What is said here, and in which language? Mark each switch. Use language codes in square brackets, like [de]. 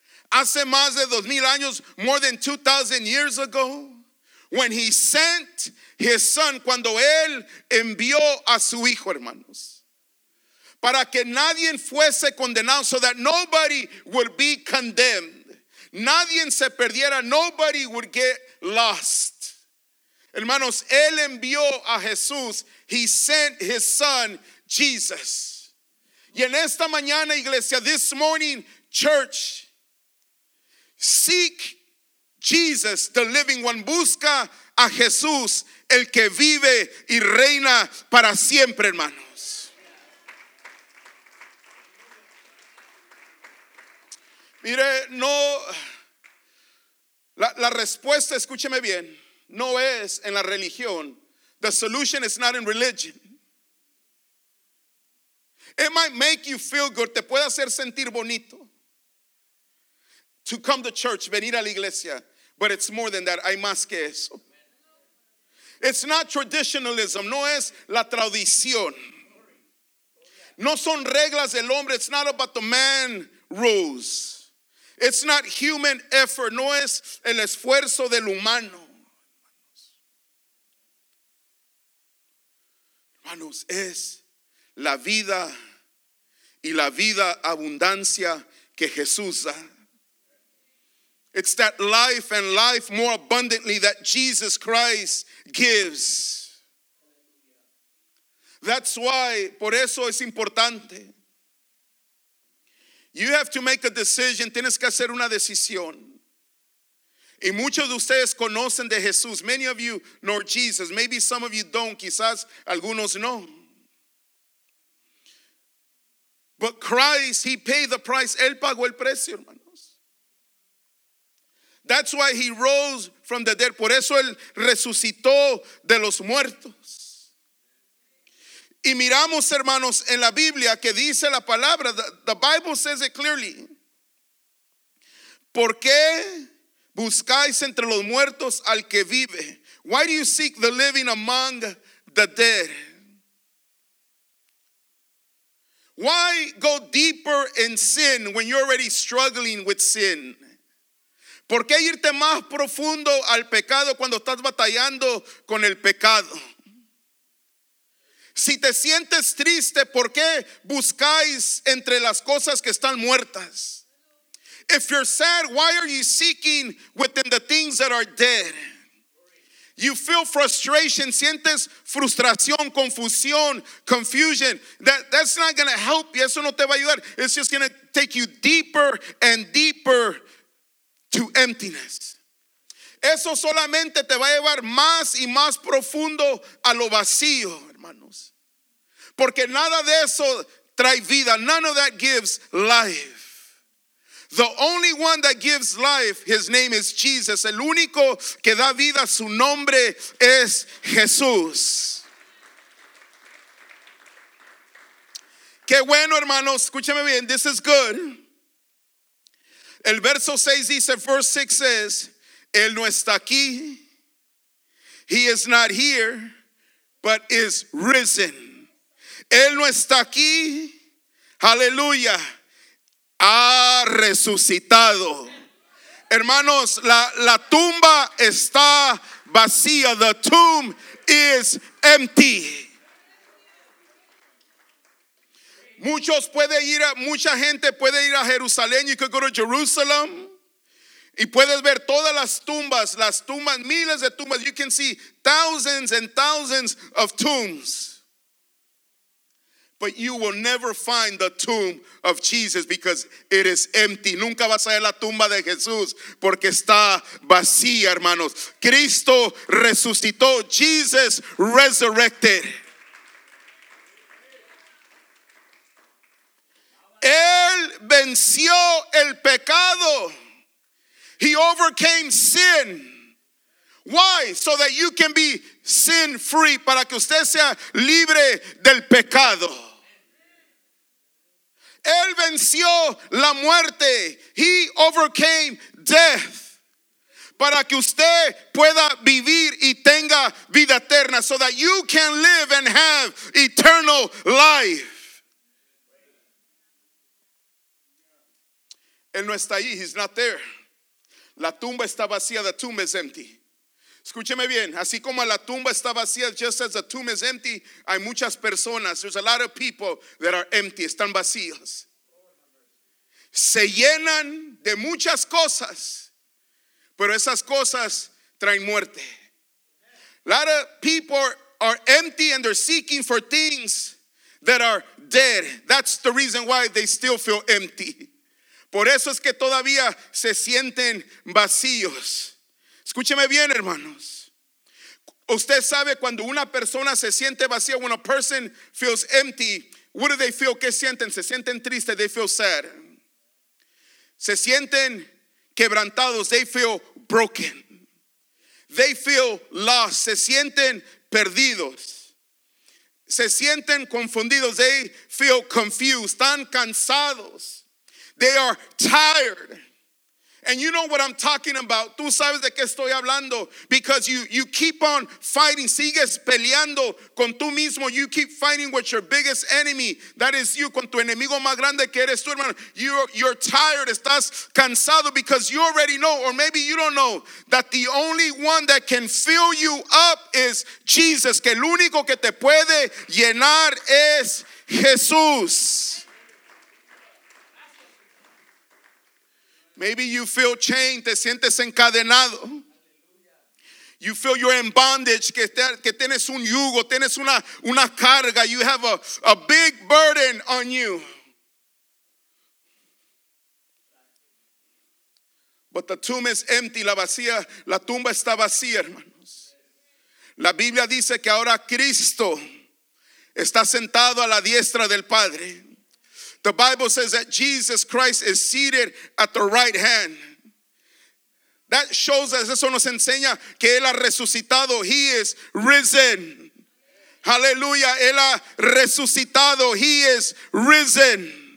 [es] Hace más de 2,000 años, [en] more than 2,000 years ago, when he sent his son, [es] cuando él envió a su hijo, hermanos, para que nadie fuese condenado, [en] so that nobody would be condemned. [es] Nadie se perdiera, [en] nobody would get lost. [es] Hermanos, él envió a Jesús, [en] he sent his son, Jesus. [es] Y en esta mañana, iglesia, [en] this morning, church, seek Jesus, the living one. [es] Busca a Jesús, el que vive y reina para siempre, hermanos. Mire, no, la respuesta, escúcheme bien, no es en la religión. [en] The solution is not in religion. It might make you feel good, [es] te puede hacer sentir bonito. [en] To come to church, [es] venir a la iglesia. [en] But it's more than that. [es] Hay más que eso. [en] It's not traditionalism. [es] No es la tradición. No son reglas del hombre. [en] It's not about the man rules. It's not human effort. No es el esfuerzo del humano. [es] Hermanos, es la vida y la vida abundancia que Jesús da. [en] It's that life and life more abundantly that Jesus Christ gives. That's why, [es] por eso es importante. [en] You have to make a decision. [es] Tienes que hacer una decisión. Y muchos de ustedes conocen de Jesús. [en] Many of you know Jesus. Maybe some of you don't. [es] Quizás algunos no. [en] But Christ, he paid the price. [es] Él pagó el precio, hermano. [en] That's why he rose from the dead. [es] Por eso él resucitó de los muertos. Y miramos, hermanos, en la Biblia que dice la palabra. [en] The Bible says it clearly. [es] ¿Por qué buscáis entre los muertos al que vive? [en] Why do you seek the living among the dead? Why go deeper in sin when you're already struggling with sin? [es] ¿Por qué irte más profundo al pecado cuando estás batallando con el pecado? Si te sientes triste, ¿por qué buscáis entre las cosas que están muertas? [en] If you're sad, why are you seeking within the things that are dead? You feel frustration, [es] sientes frustración, confusión, [en] confusion. That's not going to help you, [es] eso no te va a ayudar. [en] It's just going to take you deeper and deeper to emptiness. [es] Eso solamente te va a llevar más y más profundo a lo vacío, hermanos. Porque nada de eso trae vida. [en] None of that gives life. The only one that gives life, his name is Jesus. [es] El único que da vida, su nombre es Jesús. Qué bueno, hermanos. Escúchame bien. [en] This is good. [es] El verso 6 dice, [en] verse 6 says, [es] él no está aquí, [en] he is not here, but is risen. [es] Él no está aquí, aleluya, ha resucitado. Hermanos, la tumba está vacía, [en] the tomb is empty. [es] Muchos puede ir, mucha gente puede ir a Jerusalén. [en] You could go to Jerusalem. [es] Y puedes ver todas las tumbas, miles de tumbas. [en] You can see thousands and thousands of tombs. But you will never find the tomb of Jesus because it is empty. [es] Nunca vas a ver la tumba de Jesús porque está vacía, hermanos. Cristo resucitó. [en] Jesus resurrected. [es] Él venció el pecado. [en] He overcame sin. Why? So that you can be sin free. [es] Para que usted sea libre del pecado. Él venció la muerte. [en] He overcame death. [es] para que usted pueda vivir y tenga vida eterna, [en] so that you can live and have eternal life. [es] Él no está ahí, [en] he's not there. [es] La tumba está vacía, [en] the tomb is empty. [es] Escúcheme bien, así como la tumba está vacía, [en] just as the tomb is empty, [es] hay muchas personas, [en] there's a lot of people that are empty, [es] están vacíos. Se llenan de muchas cosas, pero esas cosas traen muerte. [en] A lot of people are empty and they're seeking for things that are dead. That's the reason why they still feel empty. [es] Por eso es que todavía se sienten vacíos. Escúcheme bien, hermanos. Usted sabe cuando una persona se siente vacía, [en] when a person feels empty, what do they feel? [es] ¿Qué sienten? Se sienten tristes, [en] they feel sad. [es] Se sienten quebrantados, [en] they feel broken. They feel lost, [es] se sienten perdidos. Se sienten confundidos, [en] they feel confused. [es] Están cansados, [en] they are tired. And you know what I'm talking about. [es] Tú sabes de qué estoy hablando. [en] Because you keep on fighting. [es] Sigues peleando con tú mismo. [en] You keep fighting with your biggest enemy. That is you. [es] Con tu enemigo más grande que eres tú, hermano. [en] You're tired. [es] Estás cansado. [en] Because you already know, or maybe you don't know, that the only one that can fill you up is Jesus. [es] Que el único que te puede llenar es Jesús. [en] Maybe you feel chained, [es] te sientes encadenado. [en] You feel you're in bondage, [es] que tienes un yugo, tienes una carga. [en] You have a big burden on you. But the tomb is empty, [es] la tumba está vacía, hermanos. La Biblia dice que ahora Cristo está sentado a la diestra del Padre. [en] The Bible says that Jesus Christ is seated at the right hand. That shows us, [es] eso nos enseña que Él ha resucitado. [en] He is risen. Hallelujah. [es] Él ha resucitado. [en] He is risen.